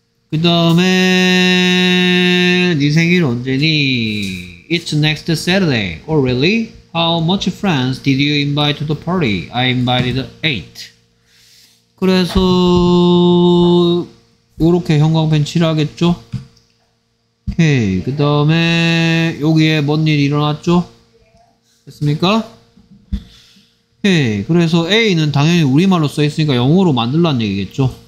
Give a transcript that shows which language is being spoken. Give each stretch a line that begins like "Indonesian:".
Korean: 그 다음에, 네 생일 언제니?
English: It's next Saturday. Oh, really? How much friends did you invite to the party? I invited 8.
Korean: 그래서, 요렇게 형광펜 칠하겠죠? 오케이. 그 다음에 여기에 뭔 일이 일어났죠? 됐습니까? 오케이. 그래서 A는 당연히 우리말로 써있으니까 영어로 만들란 얘기겠죠.